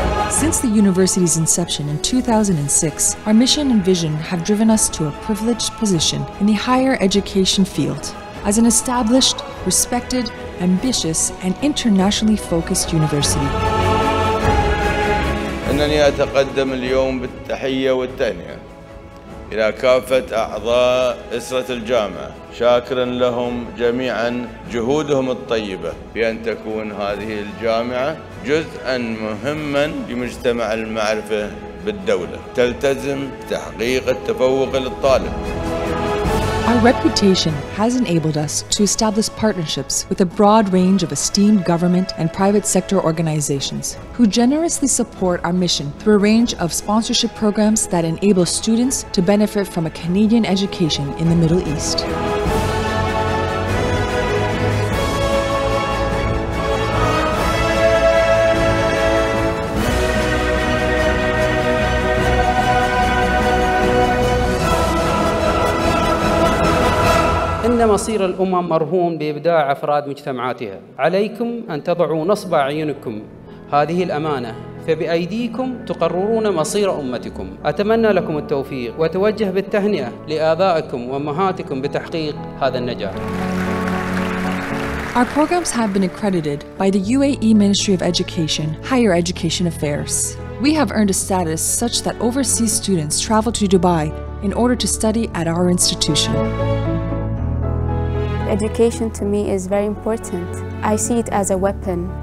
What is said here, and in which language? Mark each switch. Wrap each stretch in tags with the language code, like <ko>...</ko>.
<en>Since the university's inception in 2006, our mission and vision have driven us to a privileged position in the higher education field as an established, respected, ambitious, and internationally focused university.</en> <ar>أنني أتقدم اليوم بالتحية والتهنئة إلى كافة أعضاء أسرة الجامعة شاكرا لهم جميعا جهودهم الطيبة بأن تكون هذه الجامعة جزءا مهما لمجتمع المعرفة بالدولة تلتزم تحقيق التفوق للطالب.</ar> <en>Our reputation has enabled us to establish partnerships with a broad range of esteemed government and private sector organizations who generously support our mission through a range of sponsorship programs that enable students to benefit from a Canadian education in the Middle East.</en> <ar>مصير الأمم مرهون بإبداع أفراد مجتمعاتها عليكم أن تضعوا نصب أعينكم هذه الأمانة فبأيديكم تقررون مصير أمتكم أتمنى لكم التوفيق وتوجه بالتهنئة لآبائكم وأمهاتكم بتحقيق هذا النجاح.</ar> <en>Our programs have been accredited by the UAE Ministry of Education, Higher Education Affairs. We have earned a status such that overseas students travel to Dubai in order to study at our institution. Education to me is very important. I see it as a weapon.</en>